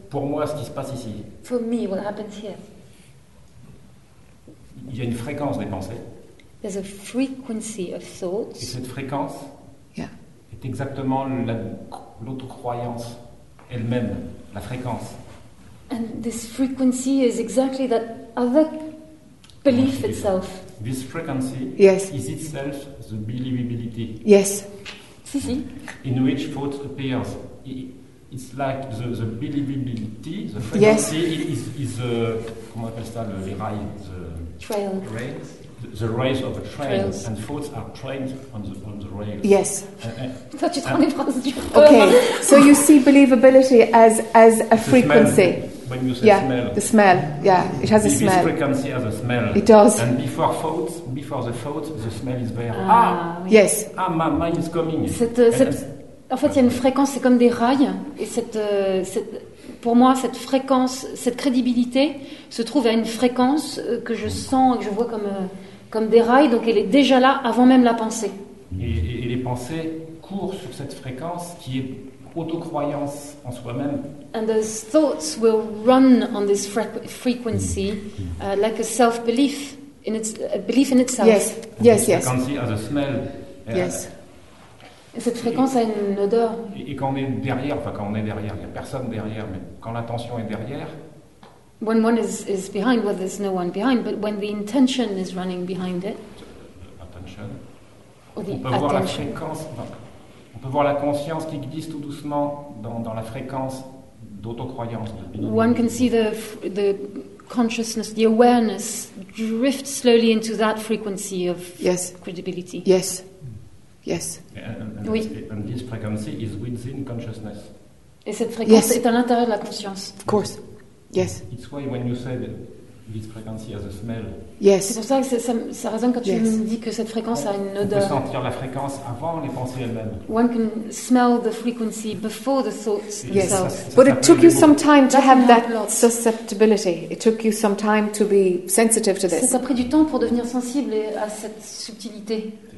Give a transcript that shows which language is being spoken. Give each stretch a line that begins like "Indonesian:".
French: Pour moi, ce qui se passe ici.
English: For me, what happens here.
French: Il y a une fréquence des pensées.
English: There's a frequency of thoughts.
French: Et cette fréquence est exactement l'autocroyance elle-même, la fréquence.
English: And this frequency is exactly that other belief itself. This frequency is itself the believability. Yes.
French: Si, si.
English: In which thought appears. It's like the believability, the frequency is the,
French: comment on appelle ça, les rails.
English: Trail. Rails. The rails of a train, trails. And thoughts are trained on the rails. Yes. Okay, so you see believability as a frequency. Smell. When you say smell. The smell, it has a smell. This frequency has a smell. It does. And before the thoughts, the smell is there. Yes. Ah, my mind is coming.
French: En fait, il y a une fréquence, c'est comme des rails, et cette, pour moi, cette fréquence, cette crédibilité se trouve à une fréquence que je sens, que je vois comme des rails, donc elle est déjà là avant même la pensée. Et les pensées courent sur cette fréquence qui est autocroyance en soi-même.
English: And the thoughts will run on this frequency like a self-belief, a belief in itself. Yes, yes, yes. The frequency has a smell. Yes.
French: Cette fréquence a une odeur. Et quand on est derrière, enfin quand on est derrière, il n'y a personne derrière, mais quand l'intention est derrière.
English: When one is behind, well, there's no one behind, but when the intention is running behind it. Attention.
French: On peut voir la fréquence, enfin, on peut voir la conscience qui glisse tout doucement dans la fréquence d'autocroyance.
English: One can see the consciousness, the awareness drift slowly into that frequency of credibility. Yes. Yes. And this frequency is within consciousness.
French: Et cette fréquence est à l'intérieur de la conscience.
English: Of course. Yes. It's why when you said this frequency has a smell. Yes.
French: C'est pour ça que ça résonne quand tu me dis que cette fréquence a une odeur. On peut sentir la fréquence avant les pensées elles-mêmes.
English: One can smell the frequency before the thoughts themselves. Yes. But it took you some time to have that susceptibility. It took you some time to be sensitive to this.
French: Ça a pris du temps pour devenir sensible à cette subtilité.